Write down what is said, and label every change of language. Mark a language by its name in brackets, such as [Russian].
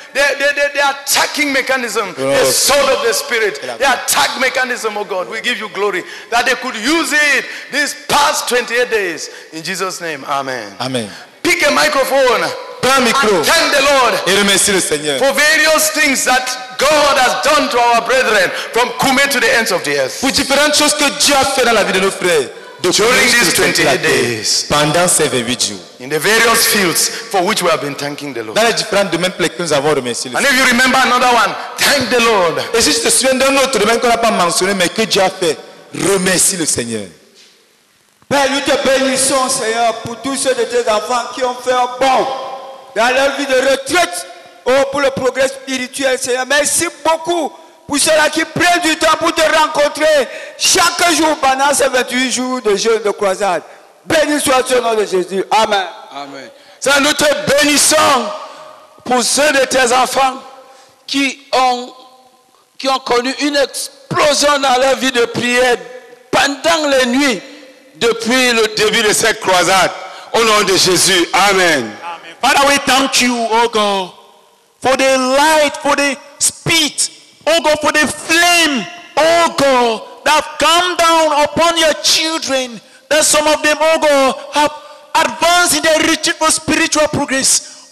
[English] The attacking mechanism, the sword of the Spirit, the attack mechanism, oh God, we give you glory that they could use it these past 28 days. In Jesus' name, amen. Amen. Pick a microphone. [French] Prends un micro. [English] And thank the Lord. [French] Et remercie le Seigneur. [English] For various things that God has done to our brethren from Kume to the ends of the earth. [French] Pour différentes choses que Dieu a fait dans la vie de nos frères. [English] During these 28 days, [French] pendant ces 28 jours, [English] in the various fields for which we have been thanking the Lord, [French] dans les différents domaines pour lesquels nous avons remercié le Seigneur. [English] And if you remember another one, thank the Lord. [French] Et si tu te souviens d'un autre domaine qu'on n'a pas mentionné mais que Dieu a fait, remercie le Seigneur. Père, nous te bénissons, Seigneur, pour tous ceux de tes enfants qui ont fait un bon dans leur vie de retraite, oh, pour le progrès spirituel, Seigneur. Merci beaucoup. Pour ceux-là qui prennent du temps pour te rencontrer chaque jour pendant ces 28 jours de jeûne de croisade. Béni soit ce nom de Jésus. Amen. Amen. Seigneur, nous te bénissons pour ceux de tes enfants qui ont connu une explosion dans leur vie de prière pendant les nuits depuis le début de cette croisade. Au nom de Jésus. Amen. Amen. [English] Father, we thank you, oh God, for the light, for the speed. Oh God, for the flame, oh God, that have come down upon your children, that some of them, oh God, have advanced in their retreat for spiritual progress.